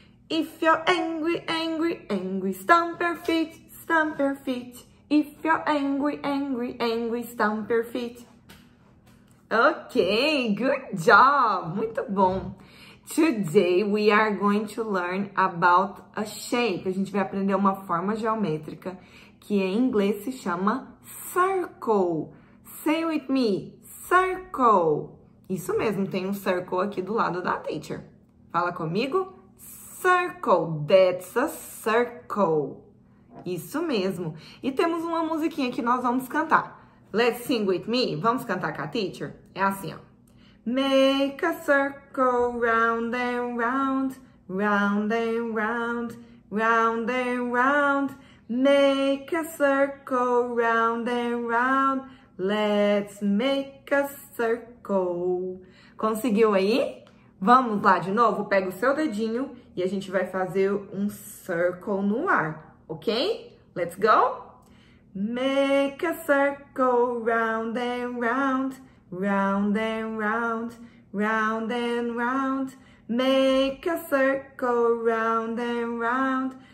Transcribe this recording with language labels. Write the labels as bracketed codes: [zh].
[en] If you're angry, angry, angry, stomp your feet, stomp your feet. If you're angry, angry, angry, stomp your feet. Ok, good job! [pt] Muito bom! [en] Today we are going to learn about a shape. [pt] A gente vai aprender uma forma geométrica que em inglês se chama circle. [en] Say with me, circle. [pt] Isso mesmo, tem um circle aqui do lado da teacher. Fala comigo, circle. [en] That's a circle. [pt] Isso mesmo. E temos uma musiquinha que nós vamos cantar. [en] Let's sing with me. [pt] Vamos cantar com a teacher? É assim, ó. [en] Make a circle round and round, round and round, round and round. Make a circle round and round. Let's make a circle. [pt] Conseguiu aí? Vamos lá de novo. Pega o seu dedinho e a gente vai fazer um circle no ar, ok? [en] Let's go! Make a circle round and round, round and round, round and round. Make a circle round and round.